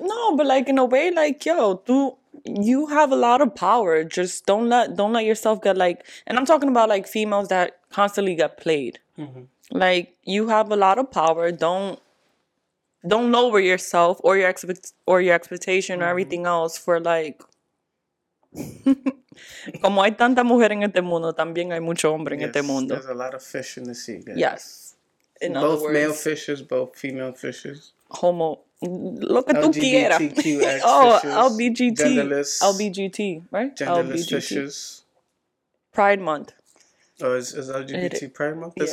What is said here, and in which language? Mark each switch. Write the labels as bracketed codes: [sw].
[en] No, but like in a way, like, yo, you have a lot of power. Just don't let yourself get like, and I'm talking about like females that constantly get played. Mm-hmm. Like, you have a lot of power. Don't lower yourself or your expectation mm-hmm. or everything else for like. [es] Como hay tanta mujer en este mundo, también hay mucho hombre en este mundo. [en] There's a lot of fish in the sea. Guys. Yes. In both other words, male fishes, both female fishes. [es] Homo. Lo que tú quieras. [en] Oh, LGBT. LGBT, right? Genderless fishes. Pride Month. Oh, is LGBT it, Pride Month this